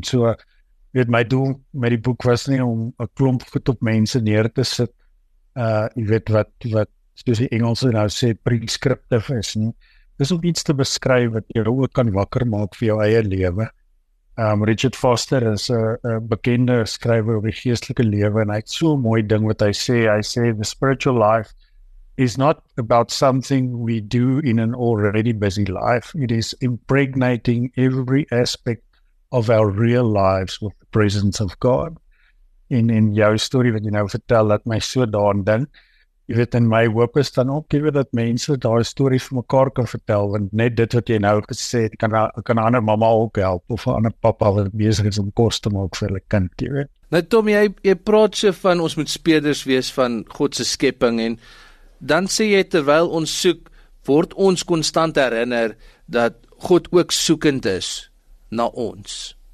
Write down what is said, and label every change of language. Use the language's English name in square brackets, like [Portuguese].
[Afrikaans] So, weet, my doel met die boek was nie om 'n klomp goed op mense neer te sit, jy weet wat soos die Engelse nou sê, prescriptive is nie. Dis om iets te beskryf wat jy ook kan wakker maak vir jou eie lewe. Richard Foster is 'n bekende skrywer oor die geestelike lewe en hy het so 'n mooi ding wat hy sê. Hy sê, [English] the spiritual life is not about something we do in an already busy life. It is impregnating every aspect of our real lives with the presence of God. [Afrikaans] In jou story wat jy nou vertel, dat my so daan dink, jy weet, in my hoop is dan ook, jy weet, dat mense daai story vir mekaar kan vertel, want net dit wat jy nou gesê het, kan 'n ander mama ook help, of 'n ander papa wat besig is om kos te maak vir hulle kind, jy weet. Nou Tom, jy praat so van ons moet speerders wees van God se skepping, en dan sê jy, terwyl ons soek, word ons konstant herinner dat God ook soekend is na ons.